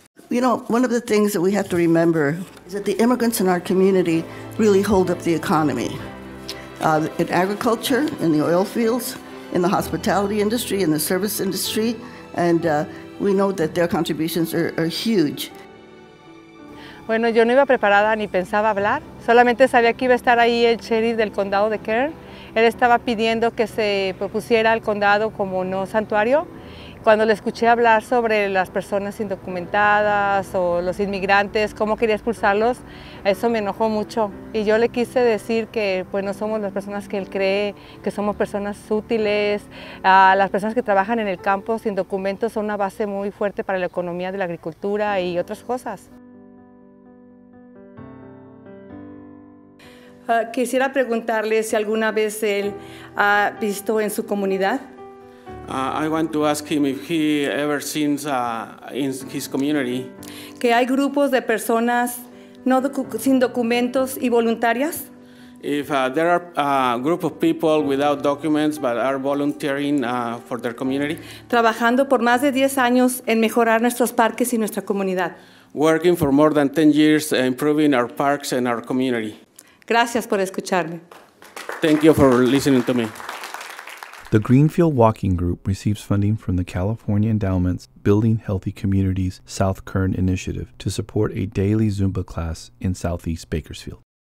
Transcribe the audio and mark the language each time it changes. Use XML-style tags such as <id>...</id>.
<en>You know, one of the things that we have to remember is that the immigrants in our community really hold up the economy. In agriculture, in the oil fields, in the hospitality industry, in the service industry, and we know that their contributions are huge.</en> <es>Bueno, yo no iba preparada ni pensaba hablar. Solamente sabía que iba a estar ahí el sheriff del condado de Kern. Él estaba pidiendo que se propusiera el condado como no santuario. Cuando le escuché hablar sobre las personas indocumentadas o los inmigrantes, cómo quería expulsarlos, eso me enojó mucho. Y yo le quise decir que pues, no somos las personas que él cree, que somos personas útiles. Las personas que trabajan en el campo sin documentos son una base muy fuerte para la economía de la agricultura y otras cosas. Quisiera preguntarle si alguna vez él ha visto en su comunidad.</es> <en>I want to ask him if he ever seen in his community.</en> <es>Que hay grupos de personas no sin documentos y voluntarias.</es> <en>If there are group of people without documents but are volunteering for their community.</en> <es>Trabajando por más de 10 años en mejorar nuestros parques y nuestra comunidad.</es> <en>Working for more than 10 years improving our parks and our community.</en> <es>Gracias por escucharme.</es> <en>Thank you for listening to me. The Greenfield Walking Group receives funding from the California Endowment's Building Healthy Communities South Kern Initiative to support a daily Zumba class in Southeast Bakersfield.</en>